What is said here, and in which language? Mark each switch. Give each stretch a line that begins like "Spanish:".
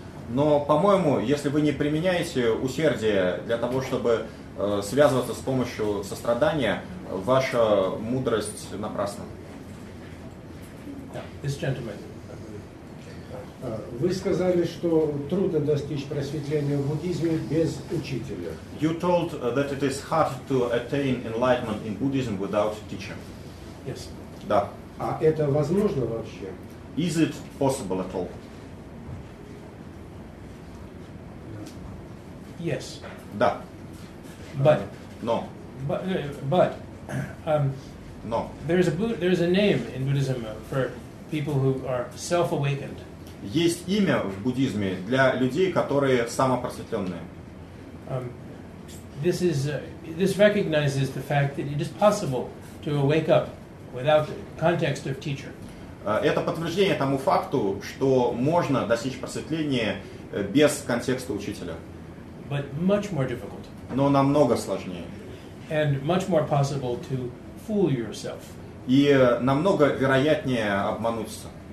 Russian: Но, по-моему, если вы не применяете усердие для того, чтобы связываться с помощью сострадания, ваша мудрость напрасна.
English: This gentleman.
Russian: Вы сказали, что трудно достичь просветления в буддизме без учителя.
English: You told that it is hard to attain enlightenment in Buddhism without teacher. Yes.
Russian: Да. А это возможно вообще?
English: Is it possible at all? Yes.
Russian: Да.
English: But. No. But. No. There is a name in Buddhism for people who are self-awakened.
Russian: Есть имя в буддизме для людей, которые самопросветленные.
English: This recognizes the fact that it is possible to wake up without the context of teacher.
Russian: Это подтверждение тому факту, что можно достичь просветления без контекста учителя.
English: But much more difficult.
Russian: Но намного сложнее.
English: And much more possible to fool yourself.
Russian: И намного вероятнее обмануться.